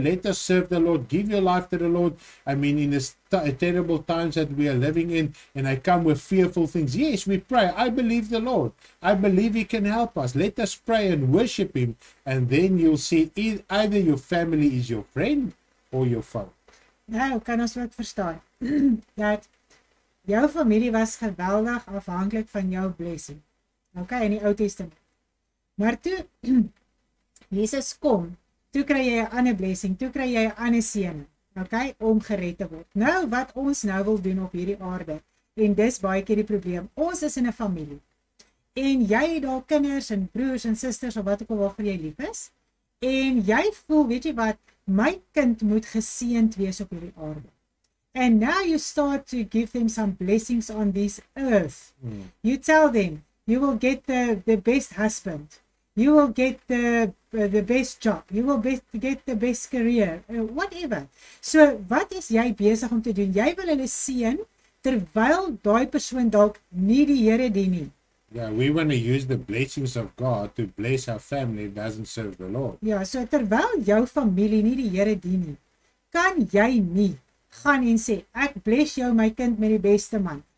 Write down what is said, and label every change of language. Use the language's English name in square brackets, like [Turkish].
[English] Let us serve the Lord. Give your life to the Lord. I mean, in this terrible times that we are living in, and I come with fearful things. Yes, we pray. I believe the Lord. I believe he can help us. Let us pray and worship him. And then you'll see either your family is your friend or your foe. [Afrikaans] Nou, kan ons wat verstaan? Dat jou familie was geweldig afhankelijk van jouw blessing. Okay, in die Ou Testament. Maar toe Jesus kom, toe kry jy 'n ander blessing, toe kry jy 'n ander seën, okay, om gered te word. Nou, wat ons nou wil doen op hierdie aarde, en dis baie keer die probleem, ons is in 'n familie, en jy het al kinders en broers en sisters, of wat ook al waarvoor jy lief is, en jy voel, weet jy wat, my kind moet geseend wees op hierdie aarde. [English] And now you start to give them some blessings on this earth. You tell them, you will get the best husband. You will get the best job. You will get the best career. Whatever. [Afrikaans] So, wat is jy besig om te doen? Jy wil hulle seën, terwyl daai persoon dalk nie die Here dien nie. [English] Yeah, we want to use the blessings of God to bless our family that doesn't serve the Lord. [Afrikaans] Ja, so terwyl jou familie nie die Here dien nie, kan jy nie gaan en sê, ek bless jou my kind met die beste man.